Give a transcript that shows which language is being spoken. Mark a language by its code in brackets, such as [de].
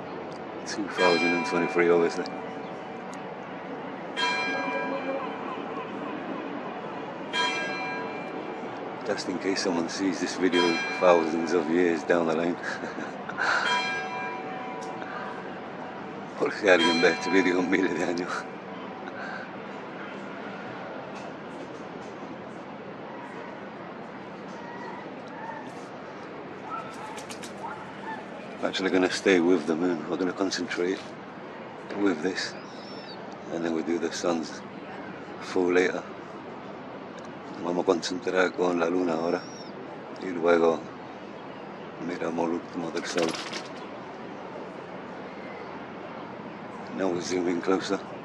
[en] Obviously. Just in case someone sees this video thousands of years down the line. [es] Por si alguien ve este video miles de años. [en] Actually going to stay with the moon, we're going to concentrate with this and then we'll do the sun's full later. [es] Vamos a concentrar con la luna ahora y luego miramos el último del sol. [en] Now we're zooming closer.